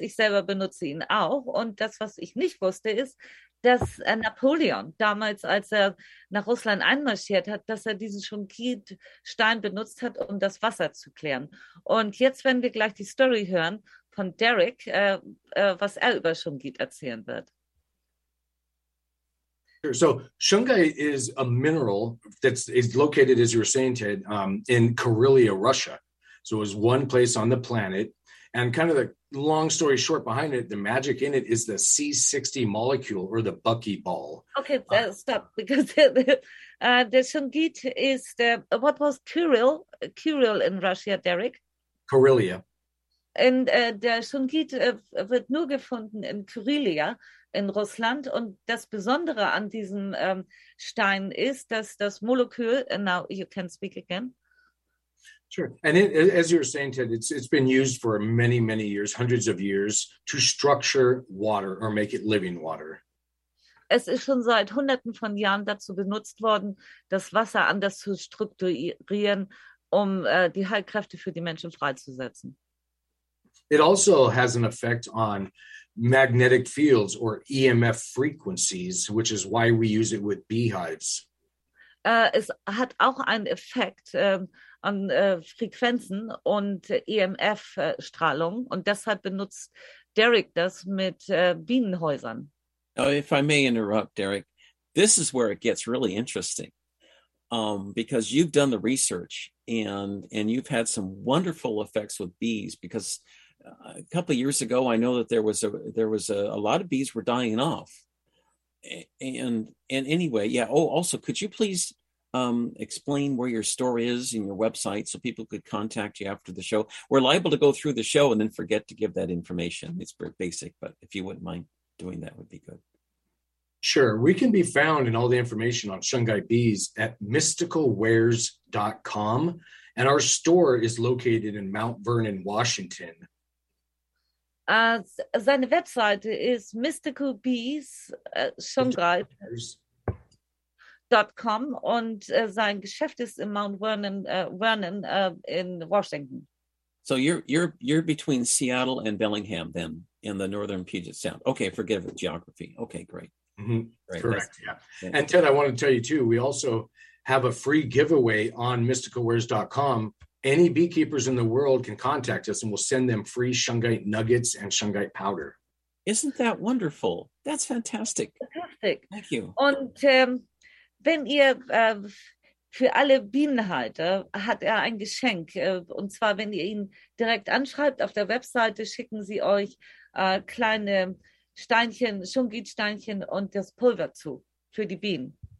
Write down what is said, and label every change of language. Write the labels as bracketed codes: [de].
[de] Ich selber benutze ihn auch. Und das, was ich nicht wusste, ist, dass Napoleon damals, als er nach Russland einmarschiert hat, dass er diesen Shungite-Stein benutzt hat, um das Wasser zu klären. Und jetzt werden wir gleich die Story hören von Derek, was er über Shungite erzählen wird. [en] So Shungite is a mineral that is located, as you were saying, Ted, in Karelia, Russia. So it was one place on the planet. And kind of the long story short behind it, the magic in it is the C60 molecule, or the buckyball. Okay, stop, because the Shungite is the, what was Kuril in Russia, Derek? Karelia. And the [de] Shungite wird nur gefunden in Karelia, in Russland. Und das Besondere an diesem Stein ist, dass das Molekül, [en] and now you can speak again. Sure. And as you were saying, Ted, it's been used for many, many years, hundreds of years, to structure water or make it living water. [de] Es ist schon seit hunderten von Jahren dazu benutzt worden, das Wasser anders zu strukturieren, um die Heilkräfte für die Menschen freizusetzen. [en] It also has an effect on magnetic fields or EMF frequencies, which is why we use it with beehives. [de] Es hat auch einen Effekt an Frequenzen und EMF-Strahlung, und deshalb benutzt Derek das mit Bienenhäusern. [en] Oh, if I may interrupt, Derek, this is where it gets really interesting, because you've done the research and you've had some wonderful effects with bees, because a couple of years ago, I know that there was a lot of bees were dying off. And anyway, yeah. Oh, also, could you please explain where your store is and your website so people could contact you after the show? We're liable to go through the show and then forget to give that information. It's very basic, but if you wouldn't mind doing that, would be good. Sure. We can be found in all the information on Shungite bees at mysticalwares.com. And our store is located in Mount Vernon, Washington. [de] Seine Webseite ist mysticalbees.com, und sein Geschäft ist in Mount Vernon in Washington. [en] So you're between Seattle and Bellingham, then, in the northern Puget Sound. Okay, forgive the geography. Okay, great. Mm-hmm. Great. Correct. Yeah. And Ted, I want to tell you too, we also have a free giveaway on mysticalwares.com. Any beekeepers in the world can contact us, and we'll send them free Shungite nuggets and Shungite powder. Isn't that wonderful? That's fantastic. Fantastic. Thank you. [de] Und wenn ihr für alle Bienenhalter hat er ein Geschenk. Und zwar, wenn ihr ihn direkt anschreibt auf der Webseite, schicken sie euch kleine Steinchen, Shungite-Steinchen und das Pulver zu für die Bienen.